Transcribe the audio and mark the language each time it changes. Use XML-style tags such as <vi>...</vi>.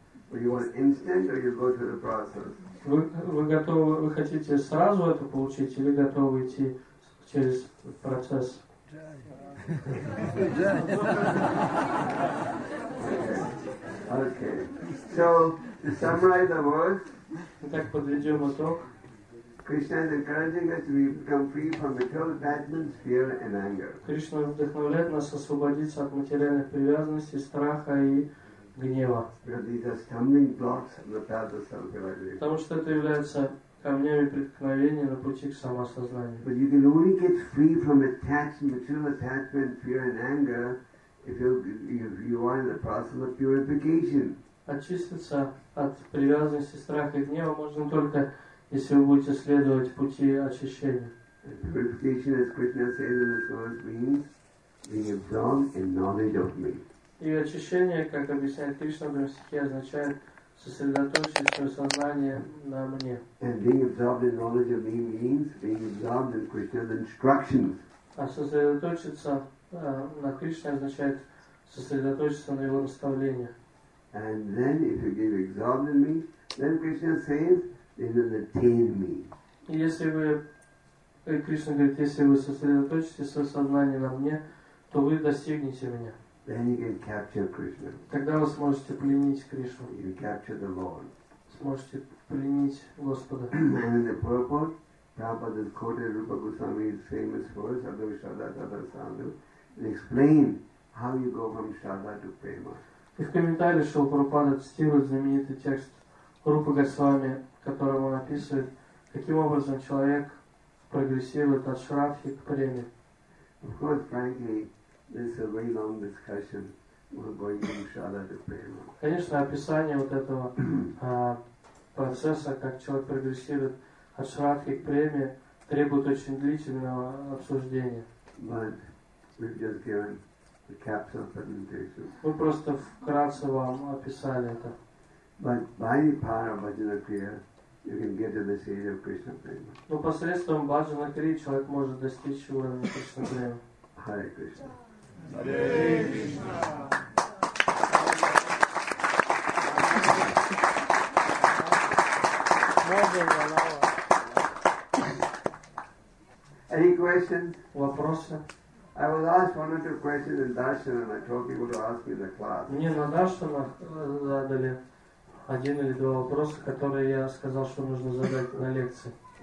<en>You want instant or you go through the process?</en> <ru>Вы хотите сразу это получить или готовы идти через процесс?</ru> <en>Okay. So to summarize the words.</en> <ru>Итак, подведем итог.</ru> <en>Krishna is encouraging us to become free from material attachments, fear and anger.</en> <ru>Krishna вдохновляет нас освободиться от материальных привязанностей, страха и гнева.</ru> <en>Because these are stumbling blocks on the path of self-realization.</en> <ru>Потому что это является камнями преткновения на пути к самосознанию.</ru> <en>But you can only get free from material attachment, fear and anger if you are in the process of purification.</en> <ru>Очиститься от привязанности, страха и гнева можно только если вы будете следовать пути очищения.</ru> <en>Purification, as Krishna says in the source, means being absorbed in knowledge of me.</en> <ru>И очищение, как объясняет Кришна в стихе, означает сосредоточить свое сознание на мне.</ru> <en>And being absorbed in knowledge of me means being absorbed in Krishna's instructions.</en> <ru>А сосредоточиться на Кришне означает сосредоточиться на его наставлениях.</ru> <en>And then, if you get absorbed in me, then Krishna says, they will attain me.</en> <ru>Если вы, Кришна говорит, если вы сосредоточите свое сознание на мне, то вы достигнете меня.</ru> <en>Then you can capture Krishna.</en> <ru>Тогда вы сможете пленить Кришну.</ru> <en>You can capture the Lord.</en> <ru>Сможете пленить Господа.</ru> <en>And in the purport, Prabhupada has quoted Rupa Goswami's famous verse,</en> <sa>Adhava Shraddha Tadha Sandhu,</sa> <en>and explain how you go from Shraddha to Prema.</en> <ru>И в комментариях Шрила Прабхупада цитирует знаменитый текст Рупа Госвами, которому он описывает, каким образом человек прогрессирует от шрадхи к преме.</ru> <en>Of course, frankly, this is a very long discussion. We're going from shraddha to prema.</en> <ru>Конечно, описание вот этого процесса, как человек прогрессирует от шрадхи к преме, требует очень длительного обсуждения.</ru> <en>But we've just given the capsule presentation.</en> <ru>Мы просто вкратце вам описали это.</ru> <en>But by the power of bhajana kriya, you can get to the stage of Krishna prema.</en> <ru>Но посредством bhajana kriya человек может достичь уровня Кришна према.</ru> <en>Hare Krishna. Hare Krishna. Any questions?</en> <ru>Вопросы?</ru> <en>I was asked one or two questions in darshan, and I told people to ask me in the class.</en> <ru>Мне на даршанах задали один или два вопроса, которые я сказал, что нужно задать на лекции.</ru>